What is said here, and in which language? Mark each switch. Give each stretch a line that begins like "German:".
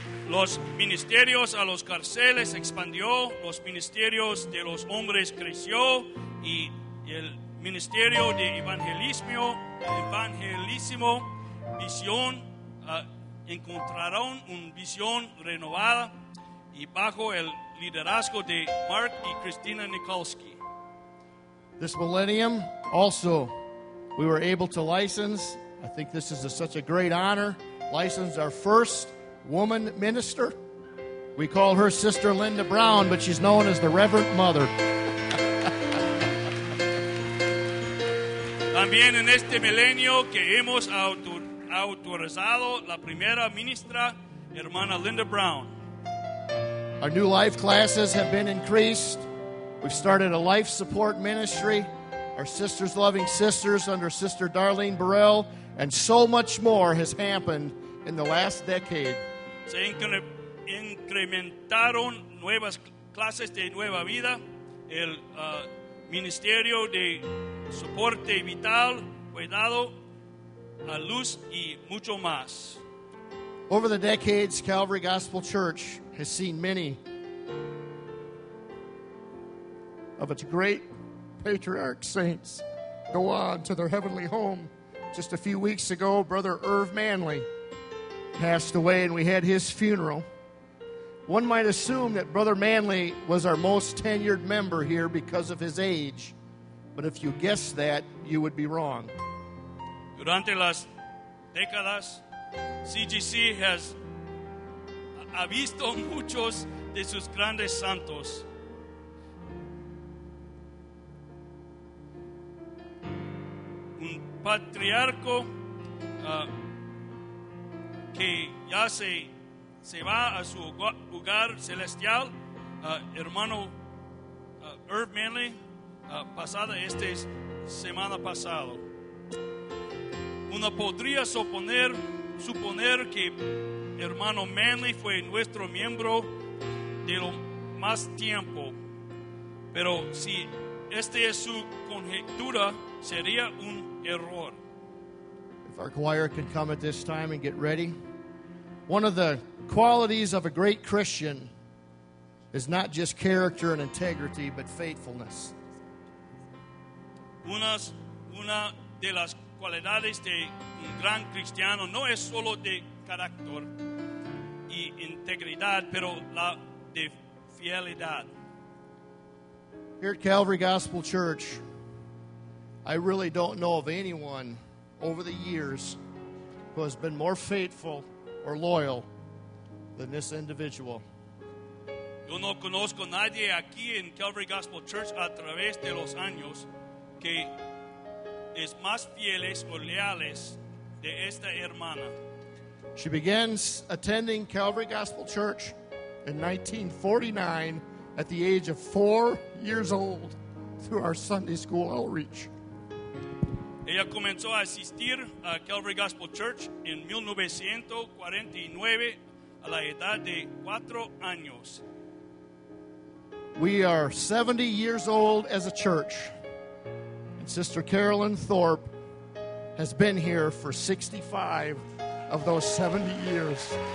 Spanish: Los ministerios a los carceles expandió, los ministerios de los hombres creció, y el ministerio de evangelismo, visión, encontraron una visión renovada y bajo el liderazgo de Mark y Christina Niskielski.
English: This millennium, also, we were able to license, I think this is such a great honor, license our first woman minister. We call her Sister Linda Brown, but she's known as the Reverend Mother.
Spanish: También en este milenio que hemos autorizado la primera ministra, hermana Linda Brown.
English: Our new life classes have been increased. We've started a life support ministry. Our Sisters Loving Sisters under Sister Darlene Burrell, and so much more has happened in the last decade.
Spanish: Se incrementaron nuevas clases de Nueva Vida. El Ministerio de Soporte Vital, Cuidado, a Luz y mucho más.
English: Over the decades, Calvary Gospel Church has seen many of its great patriarch saints go on to their heavenly home. Just a few weeks ago, Brother Irv Manley passed away, and we had his funeral. One might assume that Brother Manley was our most tenured member here because of his age, but if you guessed that, you would be wrong.
Spanish: Durante las décadas, CGC has visto muchos de sus grandes santos. Un patriarco que ya se va a su hogar celestial, hermano Irv Manley, pasada esta semana pasada. Uno podría suponer que hermano Manley fue nuestro miembro de lo más tiempo, pero si esta es su conjetura, sería un error.
English: If our choir could come at this time and get ready. One of the qualities of a great Christian is not just character and integrity, but faithfulness.
Spanish: Una de las cualidades de un gran cristiano no es solo de carácter y integridad, pero la de fidelidad.
English: Here at Calvary Gospel Church, I really don't know of anyone over the years who has been more faithful or loyal than this individual.
Spanish: Yo no conozco nadie aquí en Calvary Gospel Church a través de los años que es más fieles o leales de esta hermana.
English: She begins attending Calvary Gospel Church in 1949 at the age of 4 years old through our Sunday school outreach.
Spanish: Ella comenzó a asistir a Calvary Gospel Church en 1949 a la edad de 4 años.
English: We are 70 years old as a church, and Sister Carolyn Thorpe has been here for 65 of those 70 years.